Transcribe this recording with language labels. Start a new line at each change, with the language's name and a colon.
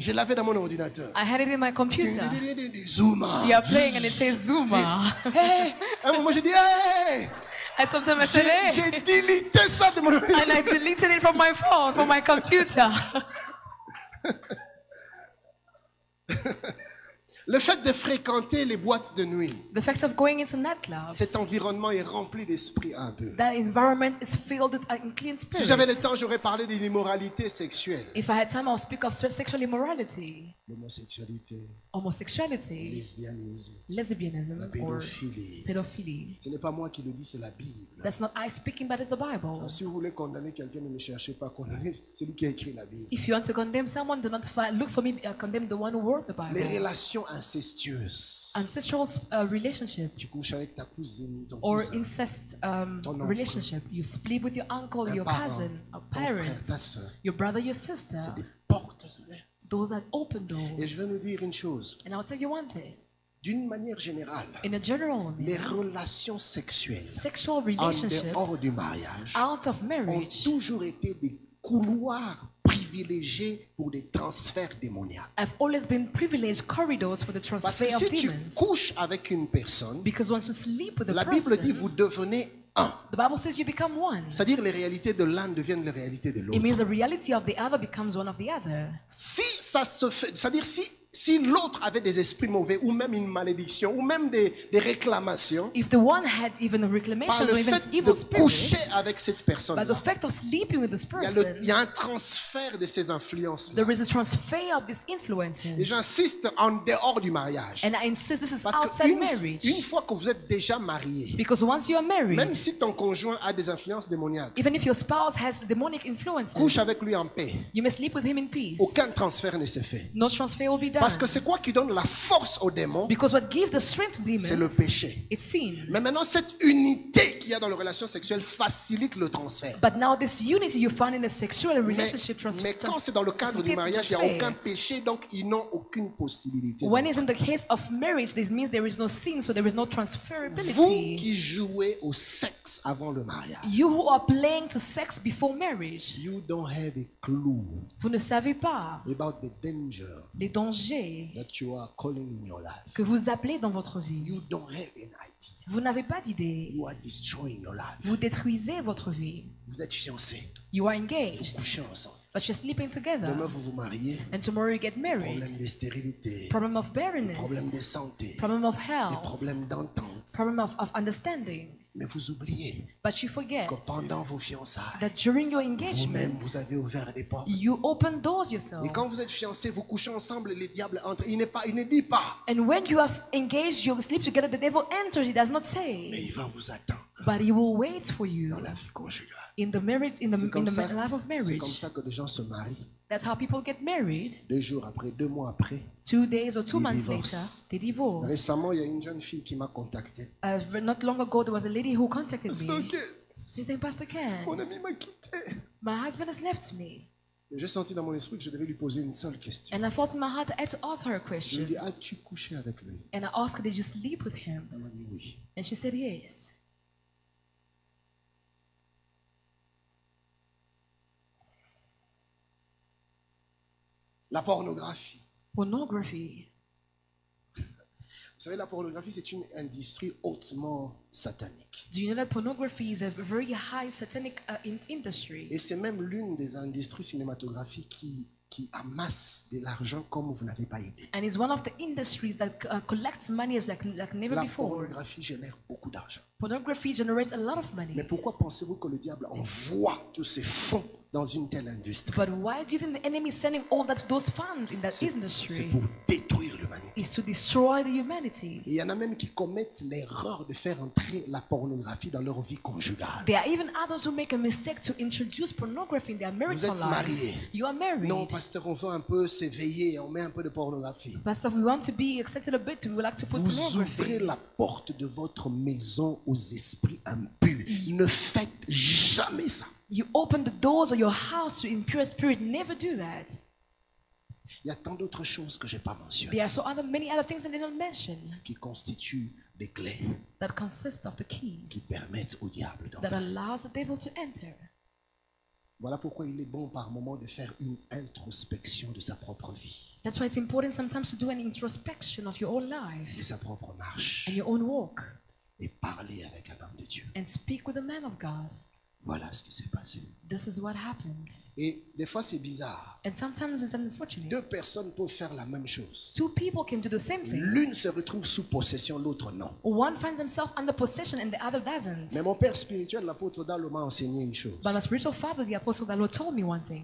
French: Je l'avais dans mon ordinateur.
English: I had it in my computer. Zuma. You are playing and it says Zuma.
French: Hey, moi je dis hey.
English: And sometimes I say hey.
French: J'ai délité ça de mon ordinateur.
English: And I deleted it from my phone, from my computer.
French: Le fait de fréquenter les boîtes de nuit.
English: The fact of going into nightclubs.
French: Cet environnement est rempli d'esprit un peu.
English: That environment is filled with unclean spirits.
French: Si j'avais le temps, j'aurais parlé de l'immoralité sexuelle.
English: If I had time, I would speak of sexual immorality.
French: L'homosexualité.
English: Homosexuality.
French: Lesbianisme.
English: Lesbianism.
French: La pédophilie. Pédophilie. Ce n'est pas moi qui le dis, c'est la Bible.
English: That's not I speaking, but it's the Bible.
French: Alors, si vous voulez condamner quelqu'un, ne me cherchez pas à condamner. C'est lui qui a écrit la Bible.
English: If you want to condemn someone, do not look for me. Condemn the one who wrote the Bible.
French: Les relations incestueuses.
English: Ancestral relationship.
French: Tu couches avec ta cousine, ton
English: or cousin. Or incest relationship. You sleep with your uncle, your cousin, a parent,
French: ton frère, ta soeur.
English: Your brother, your sister.
French: C'est des portes ouvertes.
English: Those that open doors.
French: Et je vais nous dire une chose.
English: And I'll tell you one thing.
French: D'une manière générale,
English: in a general way,
French: les relations sexuelles,
English: sexual relationships,
French: en dehors du mariage,
English: out of marriage,
French: ont toujours été des couloirs privilégiés pour des transferts démoniaques.
English: Have always been privileged corridors for the transfer of demons.
French: Parce que si tu couches avec une personne,
English: because once you sleep with a
French: la Bible dit vous devenez un.
English: The Bible says you become one.
French: C'est-à-dire les réalités de l'un deviennent les réalités de l'autre.
English: It means the reality of the other becomes one of the other.
French: Si ça se fait, c'est-à-dire si l'autre avait des esprits mauvais ou même une malédiction ou même des réclamations,
English: if the one had even a reclamation or even evil spirit,
French: coucher avec cette personne-là,
English: by the fact of sleeping with this person,
French: il y a un transfert de ces influences.
English: There is a transfer of these influences.
French: Et j'insiste en dehors du mariage.
English: And I insist this is
French: parce
English: outside
French: que
English: marriage.
French: Une fois que vous êtes déjà marié,
English: because once you are married,
French: même si ton conjoint a des influences démoniaques,
English: even if your spouse has demonic influences,
French: couche avec lui en paix.
English: You may sleep with him in peace.
French: Aucun transfert ne se fait.
English: No transfer will be done.
French: Parce que c'est quoi qui donne la force aux démons?
English: Because what gives the strength to demons?
French: C'est le péché.
English: It's sin.
French: Mais maintenant, cette unité qu'il y a dans la relation sexuelle facilite le transfert.
English: But now this unity you find in a sexual relationship
French: Mais quand c'est dans le cadre du mariage, il n'y a aucun péché, donc ils n'ont aucune possibilité.
English: When it's in the case of marriage, this means there is no sin, so there is no transferability.
French: Vous qui jouez au sexe avant le mariage.
English: You who are playing to sex before marriage. You don't have a clue.
French: Vous ne savez pas.
English: About the danger.
French: Les dangers.
English: That you are calling in your life.
French: Que vous appelez dans votre vie.
English: You don't have an idea.
French: Vous n'avez pas d'idée.
English: You are destroying your life.
French: Vous détruisez votre vie. Vous êtes fiancé.
English: You are engaged.
French: Vous couchez ensemble.
English: But you're sleeping together.
French: Demain, vous vous mariez.
English: And tomorrow you get married.
French: Problème de stérilité.
English: Problem of barrenness.
French: Problème de santé.
English: Problem of health.
French: Problème d'entente.
English: Problem of understanding.
French: Mais vous oubliez.
English: But you forget.
French: Que pendant vos fiançailles.
English: That during your engagement.
French: Vous-même, vous avez ouvert des portes.
English: You open doors yourself.
French: Et quand vous êtes fiancés, vous couchez ensemble, les diables entrent. Il n'est pas, il ne dit pas.
English: And when you have engaged, you sleep together, the devil enters. He does not say.
French: Mais il va vous attendre.
English: But he will wait for you.
French: Dans la vie conjugale.
English: In the marriage, in the life of marriage.
French: C'est comme ça que les gens se marient.
English: That's how people get married.
French: Deux jours après, deux mois après.
English: 2 days or 2 months later, they divorce.
French: Récemment, il y a une jeune fille qui m'a contacté.
English: Not long ago, there was a lady who contacted me. She's named Pastor Ken.
French: Mon ami m'a quitté.
English: My husband has left me.
French: Et j'ai senti dans mon esprit que je devais lui poser une seule question.
English: And I felt in my heart I had to ask her a question.
French: Je lui ai dit, as-tu couché avec lui?
English: And I asked, did you sleep with him?
French: Elle m'a dit oui.
English: And she said yes.
French: La pornographie.
English: Pornography.
French: Vous savez, la pornographie, c'est une industrie hautement satanique.
English: Do you know that pornography is a very high satanic industry?
French: Et c'est même l'une des industries cinématographiques qui amasse de l'argent comme vous n'avez pas idée.
English: And it's one of the industries that collects money like never
French: la
English: before.
French: La pornographie génère beaucoup d'argent.
English: Pornography generates a lot of money.
French: Mais pourquoi pensez-vous que le diable envoie tous ces fonds dans une telle industrie?
English: But why do you think the enemy is sending all that those funds in that industry?
French: C'est pour détruire l'humanité.
English: It's to destroy the humanity.
French: Il y en a même qui commettent l'erreur de faire entrer la pornographie dans leur vie conjugale.
English: There are even others who make a mistake to introduce pornography in their marital life.
French: Vous êtes marié.
English: You are married.
French: Non, pasteur, on veut un peu s'éveiller, on met un peu de pornographie.
English: Pastor, we want to be excited a bit. We would like to put
French: vous
English: pornography.
French: Vous ouvrez la porte de votre maison aux esprits impurs. Ne faites jamais ça.
English: You open the doors of your house to impure spirit. Never do that.
French: Il y a tant d'autres choses que j'ai pas mentionnées.
English: There are so many other things that I didn't mention.
French: Qui constituent des clés.
English: That consist of the keys.
French: Qui permettent au diable d'entrer.
English: That allows the devil to enter.
French: Voilà pourquoi il est bon par moment de faire une introspection de sa propre vie.
English: That's why it's important sometimes to do an introspection of your own life.
French: De sa propre marche.
English: And your own walk.
French: Et parler avec un homme de Dieu.
English: And speak with a man of God.
French: Voilà ce qui s'est passé.
English: This is what happened.
French: Et des fois c'est bizarre.
English: And sometimes it's unfortunate.
French: Deux personnes peuvent faire la même chose.
English: Two people can do the same thing.
French: L'une se retrouve sous possession, l'autre non.
English: One finds himself under possession and the other doesn't.
French: Mais mon père spirituel, l'apôtre Dalo, m'a enseigné une chose.
English: But my spiritual father, the apostle Dalo, told me one thing.